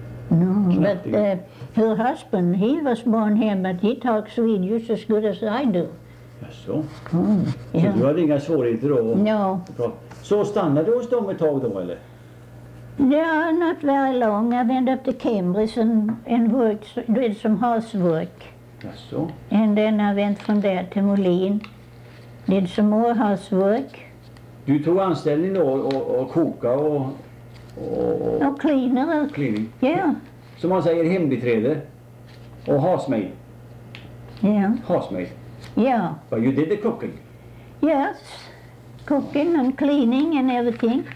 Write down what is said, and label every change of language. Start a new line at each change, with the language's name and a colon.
English: No, but her husband, he was born here, but he talks Swedish as good as I do.
Swedish: Jaså? Mm, yeah. Så du hade inga svårigheter då?
English: No.
Swedish: Så stannade du hos dem ett tag då, eller?
English: Yeah, not very long. I went up to Cambridge and worked, did some housework.
Swedish: Jaså?
English: And then I went from there to Molin, did some more housework.
Swedish: Du tog anställning då och koka och
English: cleaner. Cleaning. Yeah.
Swedish: Som man säger, hembiträde och housemaid.
English: Yeah. Housemaid. Yeah. But you did the cooking. Yes. Cooking and cleaning and everything.